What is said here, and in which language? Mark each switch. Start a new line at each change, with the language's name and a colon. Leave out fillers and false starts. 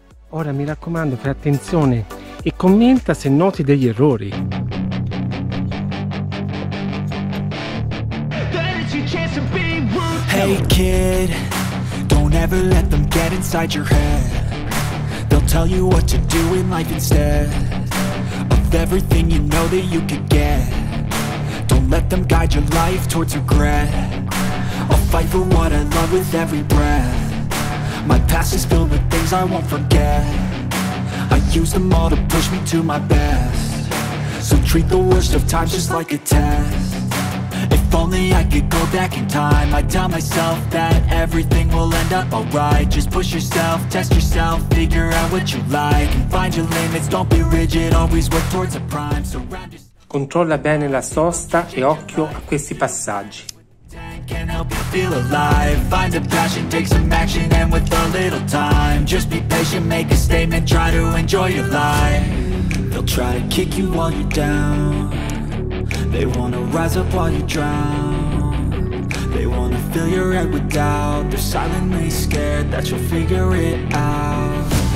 Italian: Ora mi raccomando, fai attenzione e commenta se noti degli errori.
English: Hey kid, don't ever let them get inside your head. They'll tell you what to do in life instead of everything you know that you could get. Don't let them guide your life towards regret. I'll fight for what I love with every breath. My past is filled with things I won't forget. I use them all to push me to my best. So treat the worst of times just like a test. If only I could go back in time, I'd tell myself that everything will end up alright. Just push yourself, test yourself, figure out what you like and find your limits, don't be rigid, always work towards a prime. Surround yourself.
Italian: Controlla bene la sosta e occhio a questi passaggi.
English: Can help you feel alive. Find a passion, take some action, and with a little time, just be patient, make a statement, try to enjoy your life. They'll try to kick you while you're down. They wanna rise up while you drown. They wanna fill your head with doubt. They're silently scared that you'll figure it out.